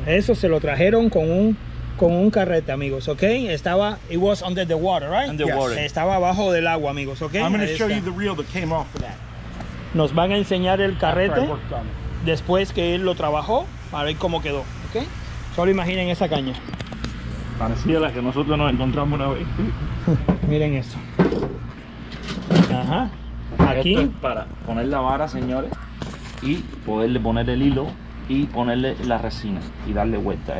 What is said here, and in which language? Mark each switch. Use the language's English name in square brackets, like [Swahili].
[Spanish] Eso se lo trajeron con un carrete, amigos. [English] Okay. [Spanish] Estaba. [English] It was under the water, right? Under water. [Spanish] Estaba bajo del agua, amigos. Okay. [English] I'm going to show you the reel that came off of that. [Spanish] Nos van a enseñar el carrete después que él lo trabajó para ver cómo quedó, ¿ok? Solo imaginen esa caña. Parecía la que nosotros nos encontramos una vez. Miren eso. Ajá. Aquí. Esto es para poner la vara, señores, y poderle poner el hilo y ponerle la resina y darle vuelta.